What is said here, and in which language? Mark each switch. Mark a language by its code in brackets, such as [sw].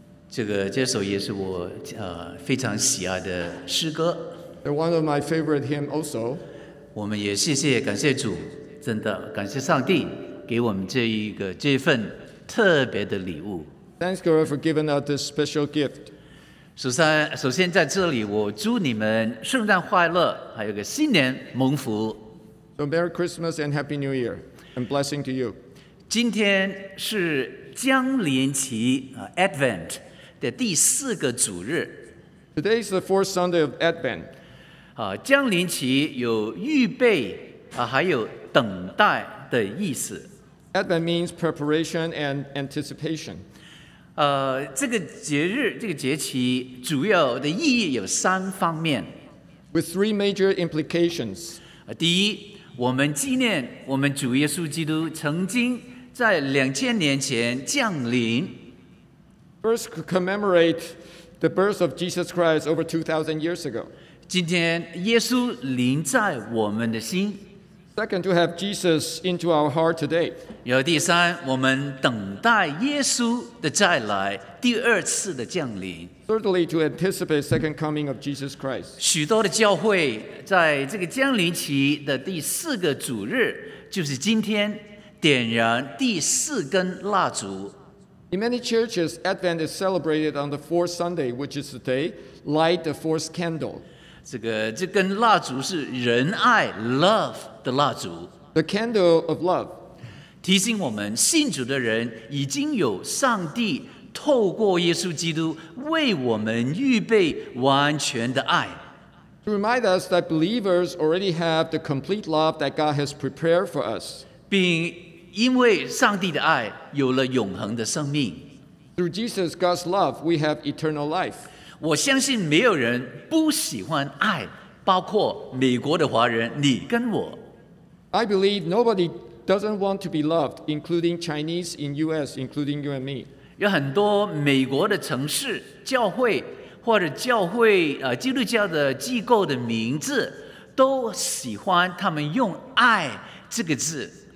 [zh] 这个这首也是我非常喜爱的诗歌。 [en] And one of my favorite hymns also. [zh] 我们也谢谢感谢主，真的感谢上帝给我们这份特别的礼物。 [en] Thanks, God, for giving us this special gift. [zh] 首先在这里我祝你们圣诞快乐，还有个新年蒙福。 [en] So Merry Christmas and Happy New Year and blessing to you. [zh] 今天是降临期 Advent 的第四个主日。 [en] Today is the fourth Sunday of Advent. [zh] 降临期有预备还有等待的意思。 [en] Advent means preparation and anticipation. [zh] 这个节日这个节期主要的意义有三方面。 [en] With three major implications. [zh] 第一，我们纪念我们主耶稣基督曾经在2000年前降临。 [en] First, commemorate the birth of Jesus Christ over 2000 years ago. [zh] 今天耶稣临在我们的心。 [en] Second, to have Jesus into our heart today. [zh] 然后第三，我们等待耶稣的再来，第二次的降临。 [en] Thirdly, to anticipate second coming of Jesus Christ. [zh] 许多的教会在这个降临期的第四个主日，就是今天，点燃第四根蜡烛。 [en] In many churches, Advent is celebrated on the fourth Sunday, which is the day light the fourth candle. [zh] 这根蜡烛是仁爱 love 的蜡烛 [en] The candle of love [zh] 提醒我们信主的人已经有上帝透过耶稣基督为我们预备完全的爱 [en] To remind us that believers already have the complete love that God has prepared for us [zh] 并因为上帝的爱有了永恒的生命 [en] Through Jesus, God's love, we have eternal life [zh] 我相信没有人不喜欢爱，包括美国的华人，你跟我。 [en] I believe nobody doesn't want to be loved, including Chinese in U.S., including you and me. [zh] 有很多美国的城市教会或者教会基督教的机构的名字都喜欢他们用爱这个字。